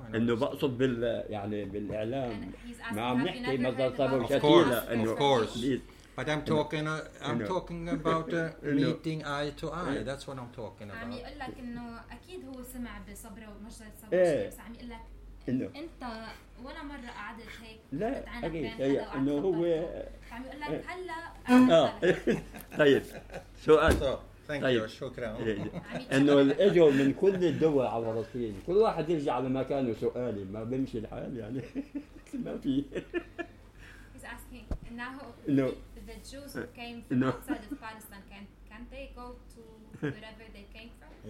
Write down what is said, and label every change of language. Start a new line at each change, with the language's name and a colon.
Arabic: إنه بقصد بال يعني بالإعلام ما عم نحكي مزار صبرا
English: وشتيلة but I'm talking about meeting eye to eye that's what I'm talking about
Arabic: عم يقول لك إنه أكيد هو سمع بصبرا ومزار صبرا وشتيلة بس عم يقول لك أنت ولا مرة قعدت هيك لا أكيد إنه هو عم يقول لك هلا طيب سؤال
English: Thank you.
Arabic: شكرا. إنه إجوا من كل الدول على فلسطين. كل واحد يرجع على مكانه سؤالي ما بمشي الحال يعني ما في.
English: He's asking now the Jews who came from outside of Palestine can they go to wherever they came from?